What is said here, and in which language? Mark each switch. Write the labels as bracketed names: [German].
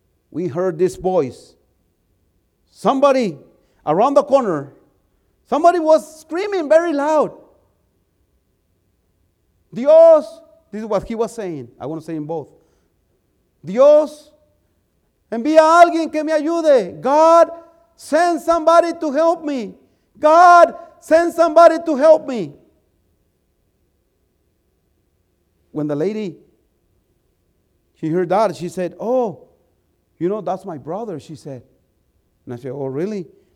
[English] We heard this voice. Somebody around the corner, somebody was screaming very loud. "Dios," this is what he was saying. I want to say in both. [Spanish] "Dios, envía a alguien que me ayude. [English] God, send somebody to help me. God, send somebody to help me." When the lady, she heard that, she said, "Oh, you know, that's my brother," she said. And I said, "Oh, really?"